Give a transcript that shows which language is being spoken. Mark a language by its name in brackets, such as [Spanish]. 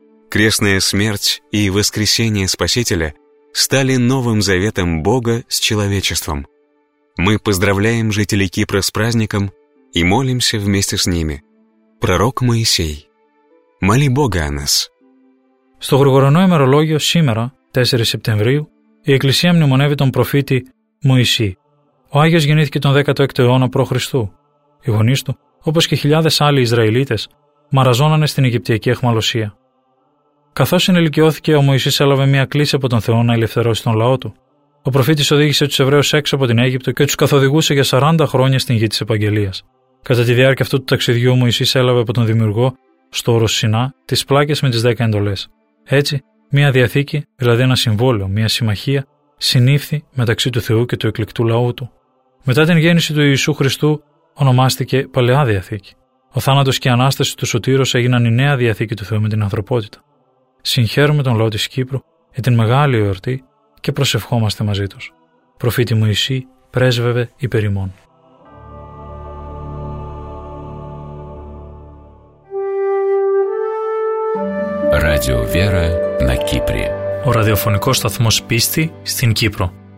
[Russian] Крестная смерть и воскресение Спасителя стали новым заветом Бога с человечеством. Мы поздравляем жителей Кипра с праздником и молимся вместе с ними. Пророк Моисей, моли Бога о нас. [Greek] Στο γρηγορανό ημερολόγιο σήμερα, 4 Σεπτεμβρίου, η Εκκλησία μνημονεύει τον προφήτη Μωυσή. Ο Άγιος γεννήθηκε τον 16ο αιώνα π.Χ. Οι γονείς του, όπως και χιλιάδες άλλοι Ισραηλίτες, μαραζώνανε στην Αιγυπτιακή αιχμαλωσία. Καθώς ενηλικιώθηκε, ο Μωυσής έλαβε μια κλίση από τον Θεό να ελευθερώσει τον λαό του. Ο προφήτης οδήγησε τους Εβραίους έξω από την Αίγυπτο και τους καθοδηγούσε για 40 χρόνια στην γη της Επαγγελίας. Κατά τη διάρκεια αυτού του ταξιδιού, ο Μωυσής έλαβε από τον Δημιουργό, στο όρος Σινά, τις πλάκες με τις 10 εντολές. Έτσι, μια διαθήκη, δηλαδή ένα συμβόλαιο, μια συμμαχία, συνήφθη μεταξύ του Θεού και του εκλεκτού λαού του. Μετά την γέννηση του Ιησού Χριστού, ονομάστηκε Παλαιά Διαθήκη. Ο θάνατος και η Ανάσταση του Σωτήρος έγιναν η Νέα Διαθήκη του Θεού με την ανθρωπότητα. Συγχαίρουμε τον λαό της Κύπρου για την μεγάλη εορτή και προσευχόμαστε μαζί τους. Προφήτη Μωυσή, πρέσβευε υπέρ ημών. [Russian] Radio Vera на Кипре. [Greek] Ο ραδιοφωνικός σταθμός πίστη στην Κύπρο.